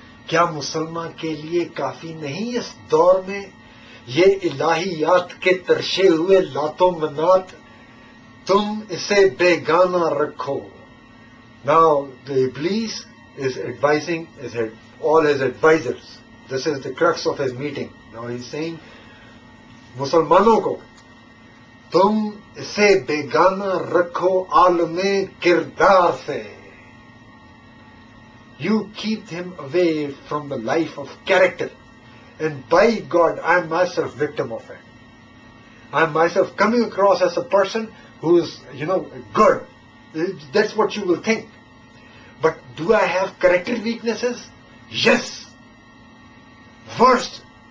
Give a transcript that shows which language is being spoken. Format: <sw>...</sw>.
<ur>کیا مسلمان کے لیے کافی نہیں اس دور میں یہ الہیات کے ترشے ہوئے لات و منات تم اسے بیگانہ رکھو.</ur> <en>Now the Iblis is advising all his advisors. This is the crux of his meeting. Now he's saying</en> <ur>مسلمانوں کو تم اسے بیگانہ رکھو عالم کردار سے.</ur> <en>You keep him away from the life of character. And by God, I am myself victim of it. I am myself coming across as a person who is, you know, good. That's what you will think. But do I have character weaknesses? Yes. Worst.</en>